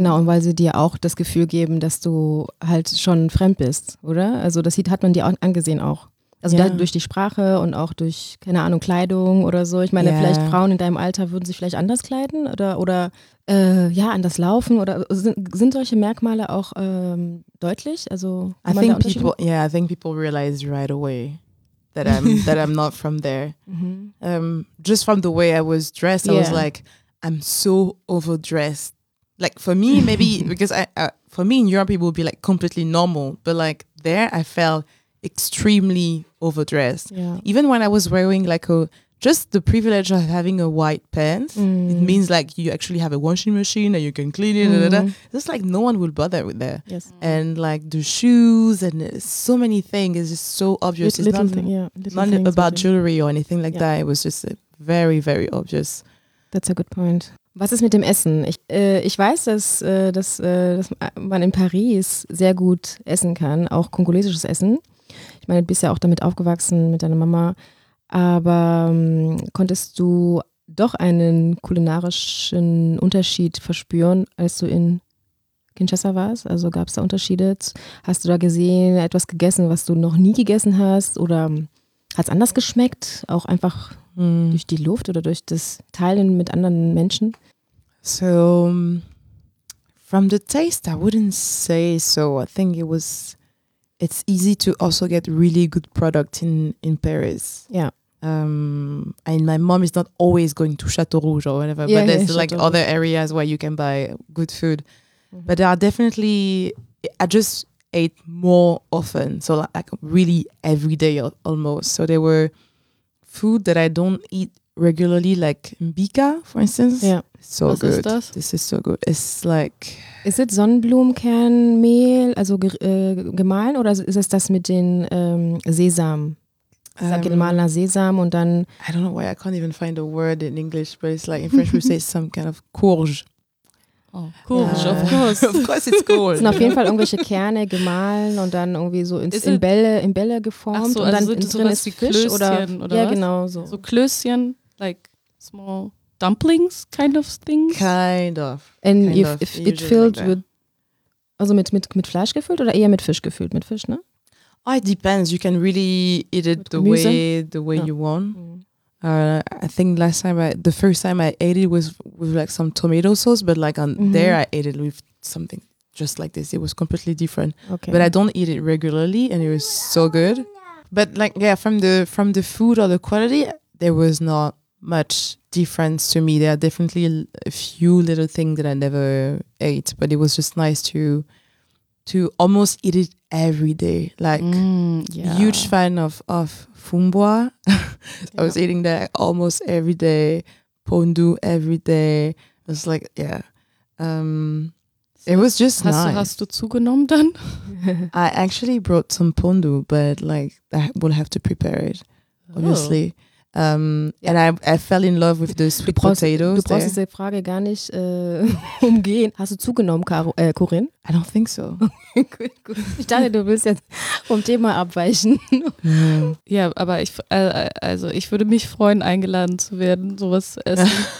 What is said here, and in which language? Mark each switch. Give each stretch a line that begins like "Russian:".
German: genau, und weil sie dir auch das Gefühl geben, dass du halt schon fremd bist, oder? Also das hat man dir auch angesehen auch. Also ja. Durch die Sprache und auch durch, keine Ahnung, Kleidung oder so. Ich meine, vielleicht Frauen in deinem Alter würden sich vielleicht anders kleiden oder anders laufen. Oder sind solche Merkmale auch deutlich? Also
English: I think people realize right away that I'm not from there. Mm-hmm. Just from the way I was dressed, I was like, I'm so overdressed. Like for me, maybe because for me in Europe, it would be like completely normal. But like there, I felt extremely overdressed. Yeah. Even when I was wearing like just the privilege of having a white pants, mm. it means like you actually have a washing machine and you can clean it. Mm. It's like no one will bother with that. Yes. And like the shoes and so many things is just so obvious. It's not about jewelry or anything like that. It was just very, very obvious. That's a good point.
German: Was ist mit dem Essen? Ich weiß, dass man in Paris sehr gut essen kann, auch kongolesisches Essen. Ich meine, du bist ja auch damit aufgewachsen mit deiner Mama. Aber konntest du doch einen kulinarischen Unterschied verspüren, als du in Kinshasa warst? Also gab es da Unterschiede? Hast du da gesehen, etwas gegessen, was du noch nie gegessen hast? Oder hat es anders geschmeckt? Auch einfach durch die Luft oder durch das Teilen mit anderen Menschen?
English: So, from the taste, I wouldn't say so. I think it's easy to also get really good product in Paris. Yeah. And my mom is not always going to Chateau Rouge or whatever, but there's like other areas where you can buy good food. Mm-hmm. But there are definitely, I just ate more often. So like really every day almost. So there were food that I don't eat regularly, like mbika, for instance. Yeah. So was good.
German: Ist das?
English: This is so good. It's like... Is it
German: Sonnenblumenkernmehl, also gemahlen, oder ist es das mit den Sesam? Gemahlener Sesam und dann...
English: I don't know why, I can't even find a word in English, but it's like in French we say some kind of courge. Oh, Courge, of course. Of course it's Courge. Es
German: sind auf jeden Fall irgendwelche Kerne gemahlen und dann irgendwie so in Bälle geformt. Ach so, und dann also in drin ist Fisch Klößchen, oder ja, was? Genau so.
English: So Klößchen, like small dumplings kind of thing? Kind of. And kind if it filled like with,
German: also mit Fleisch gefüllt oder eher mit Fisch gefüllt? Mit Fisch, ne?
English: Oh, it depends. You can really eat it the way you want. Mm. I think the first time I ate it was with like some tomato sauce, but like on mm-hmm. there I ate it with something just like this. It was completely different. Okay. But I don't eat it regularly and it was so good. But like, yeah, from the food or the quality, there was not much difference to me. There are definitely a few little things that I never ate, but it was just nice to almost eat it every day. Like, huge fan of Fumboa. I was eating that almost every day. Pondu every day. It was like, yeah. It was just nice.
German: Hast du zugenommen dann?
English: I actually brought some pondu, but like, I will have to prepare it, obviously. Oh. And I fell in love with the sweet potatoes.
German: Du brauchst diese Frage gar nicht umgehen. Hast du zugenommen, Corinne?
English: I don't think so.
German: Gut. Ich dachte, du willst jetzt vom Thema abweichen. Ja, aber ich würde mich freuen, eingeladen zu werden, sowas essen.